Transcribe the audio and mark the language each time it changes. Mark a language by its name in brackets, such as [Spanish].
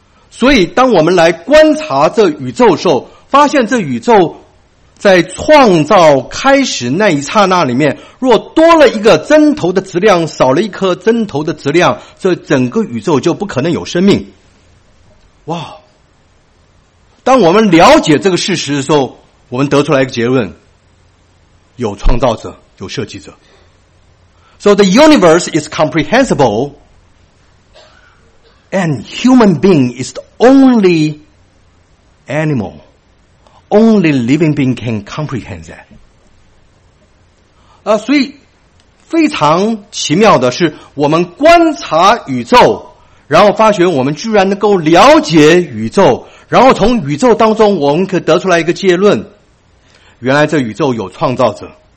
[Chinese] 所以当我们来观察这宇宙的时候，发现这宇宙在创造开始那一刹那里面，若多了一个针头的质量，少了一颗针头的质量，这整个宇宙就不可能有生命。哇，当我们了解这个事实的时候，我们得出来一个结论，有创造者，有设计者。 [English] So the universe is comprehensible and human being is the only animal, only living being can comprehend that. [Chinese] 所以非常奇妙的是，我们观察宇宙，然后发觉我们居然能够了解宇宙，然后从宇宙当中我们可得出来一个结论，原来这宇宙有创造者。